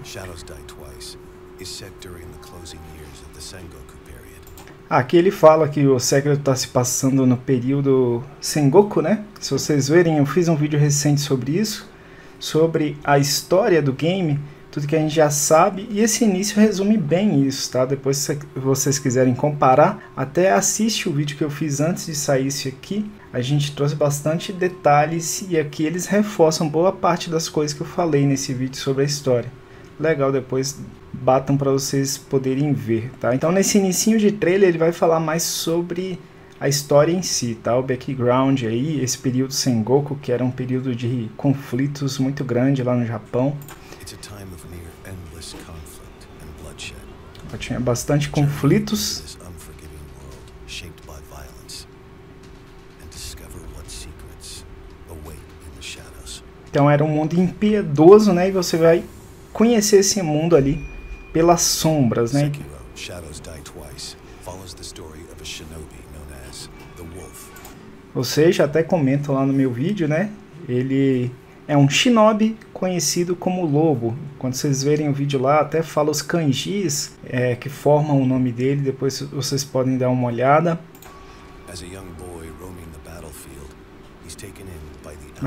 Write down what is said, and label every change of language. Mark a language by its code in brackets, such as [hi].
[en] Shadows Die Twice is set during the closing years of the Sengoku period. [pt] Aqui ele fala que o Sekiro está se passando no período Sengoku, né? Se vocês verem, eu fiz um vídeo recente sobre isso, sobre a história do game, tudo que a gente já sabe, e esse início resume bem isso, tá? Depois, se vocês quiserem comparar, até assiste o vídeo que eu fiz antes de sair isso aqui. A gente trouxe bastante detalhes e aqui eles reforçam boa parte das coisas que eu falei nesse vídeo sobre a história. Legal, depois batam para vocês poderem ver, tá? Então, nesse inicinho de trailer, ele vai falar mais sobre a história em si, tá? O background aí, esse período Sengoku, que era um período de conflitos muito grande lá no Japão. [en] It's a time of near endless conflict and bloodshed. [pt] Tinha bastante [en] Journey into [pt] conflitos. [en] this unforgiving world shaped by violence and discover what secrets await in the shadows. [pt] Então era um mundo impiedoso, né? E você vai conhecer esse mundo ali pelas sombras, né? [en] Sekiro: Shadows Die Twice follows the story of a shinobi known as the Wolf. [pt] Vocês até comentam lá no meu vídeo, né? Ele é um shinobi conhecido como lobo. Quando vocês verem o vídeo lá, até fala os kanjis que formam o nome dele. Depois vocês podem dar uma olhada. [en] As a young boy roaming the battlefield, he's taken in by the